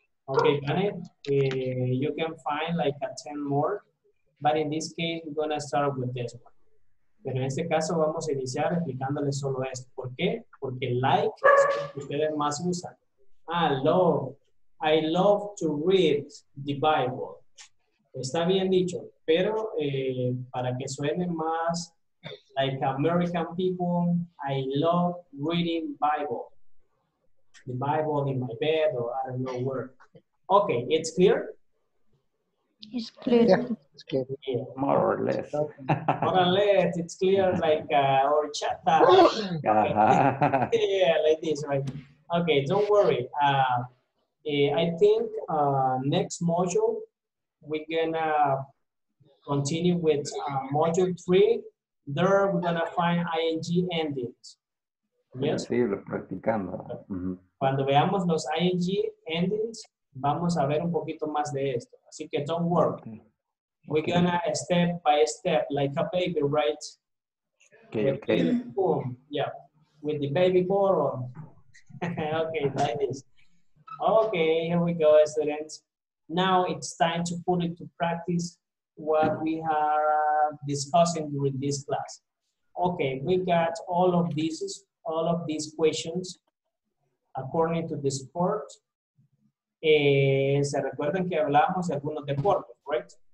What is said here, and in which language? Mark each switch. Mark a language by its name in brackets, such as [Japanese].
[English] Okay, Janet, you can find like a 10 more. But in this case, we're going to start with this one. [Spanish] Pero en este caso, vamos a iniciar explicándoles solo esto. ¿Por qué? Porque like es lo que ustedes más usan. [English] Ah, love. I love to read the Bible. [Spanish] Está bien dicho, pero para que suene más [English] like American people, I love reading Bible. The Bible in my bed or I don't know where. Okay, it's clear? It's clear. Yeah, it's clear. Yeah. More or less. More or less, it's clear like or chat. Okay. Yeah, like this, right? Okay, don't worry. I think next module, we're gonna continue with module 3. There, we're gonna find ing endings. [Spanish] Yes? Sí, lo practicando. Cuando veamos los ing endings, vamos a ver un poquito más de esto. Así que [English] don't worry. Okay. We're gonna step by step, like a baby, right? Okay, with okay. Boom. Yeah, with the baby bottle. Okay, like this. Okay, here we go, students. Now it's time to put into practice what we are discussing during this class. Okay, we got all of these questions according to the sport. [Spanish] Se recuerdan que hablamos de algunos deportes, right?